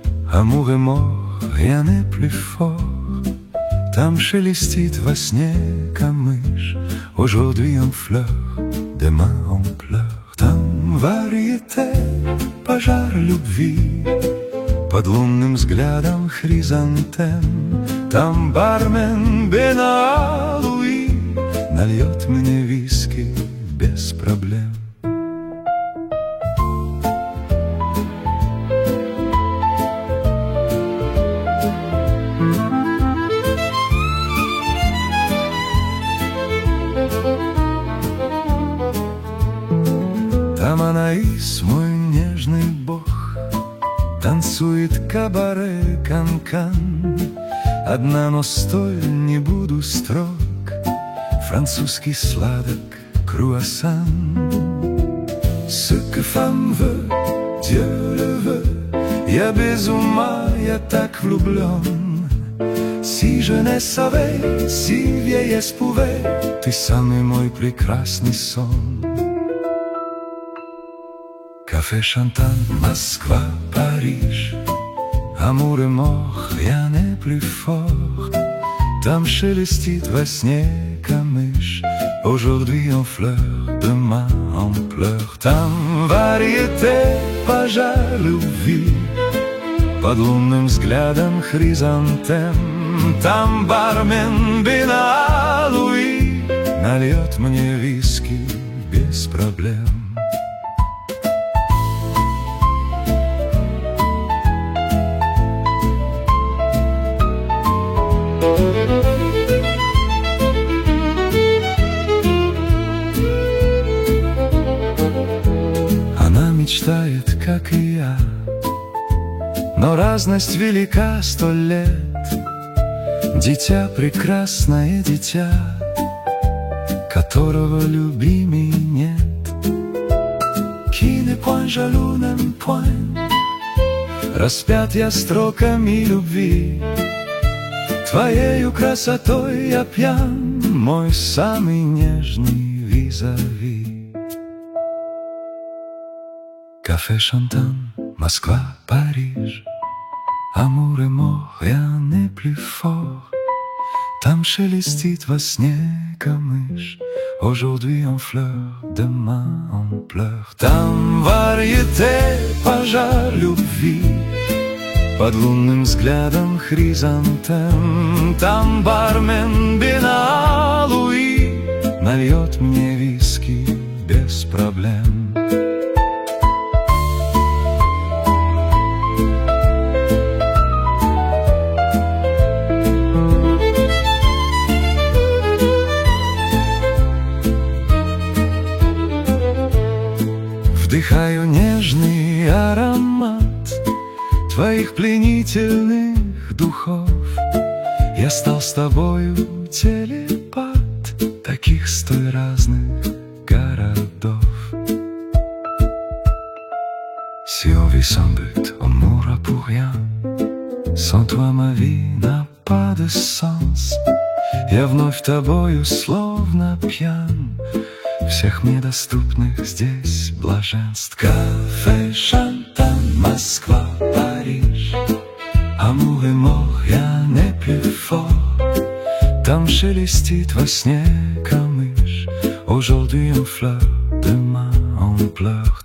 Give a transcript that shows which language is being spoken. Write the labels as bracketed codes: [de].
[fr] Amour et mort, rien n'est plus fort. [ru] Там шелестит во сне камыш. [fr] Aujourd'hui en fleurs, demain en pleurs. [ru] Там variété, пожар любви. Под лунным взглядом хризантем. Там бармен Бен-Алуи нальет мне виски без проблем. Там Анаис, мой нежный бог, танцует кабаре кан-кан. Одна, но стоя не буду строг, французский сладок круассан. [fr] Ce que femme veut, Dieu le veut, [ru] я без ума, я так влюблен. [fr] Si je ne savais, si vieillesse pouvait, [ru] ты самый мой прекрасный сон. Café Chantant, Москва, Париж. [fr] Amour et mort, rien n'est plus fort. [ru] Там шелестит во сне камыш. [fr] Aujourd'hui en fleurs, demain en pleurs. [ru] Там variété, пожар любви. Под лунным взглядом хризантем. Там бармен Бен-Алуи нальет мне виски без проблем. Мечтает, как и я, но разность велика сто лет. Дитя, прекрасное дитя, которого любимей нет. [fr] Qui ne point jaloux ne point, [ru] распят я строками любви. Твоею красотой я пьян, мой самый нежный визави. Café Chantant, Москва, Париж. [fr] Amour et mort, rien n'est plus fort. [ru] Там шелестит во сне камыш. [fr] Aujourd'hui en fleurs, demain en pleurs. [ru] Там variété, пожар любви. Под лунным взглядом хризантем. Там бармен Бен-Алуи нальет мне виски без проблем. Вдыхаю нежный аромат твоих пленительных духов. Я стал с тобою телепат таких столь разных городов. [fr] Si on vit sans but, on mourra pour rien. Sans toi ma vie n'a pas de sens. [ru] Я вновь тобою словно пьян. Всех мне доступных здесь блаженств. Café Chantant, Москва, Париж. [fr] Amour et mort, [ru] я не [fr] plus fort. [ru] Там шелестит во сне камыш. [fr] Aujourd'hui en fleur, demain en pleur.